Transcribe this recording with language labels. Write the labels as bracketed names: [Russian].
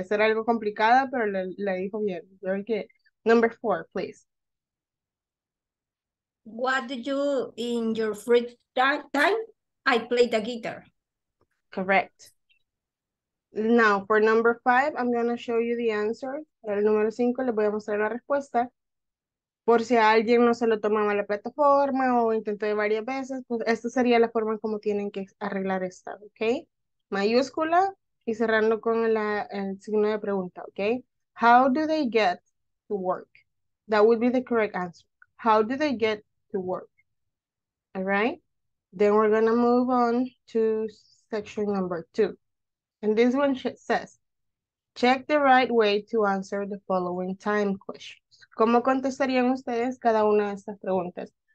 [Spanish] Esa era algo complicada, pero la dijo bien. [English] Very good. Number four, please. What do you in your free time? I play the guitar. Correct. Now, for number five, I'm going to show you the answer. [Spanish] Para el número cinco, les voy a mostrar la respuesta. Por si alguien no se lo tomaba la plataforma o intentó de varias veces, pues esta sería la forma como tienen que arreglar esta, ¿ok? Mayúscula y cerrando con el signo de pregunta, ¿ok? [English] How do they get to work? That would be the correct answer. How do they get to work? All right? Then we're going to move on to section number two. And this one says, check the right way to answer the following time questions. [Spanish] ¿Cómo contestarían ustedes cada una de estas preguntas?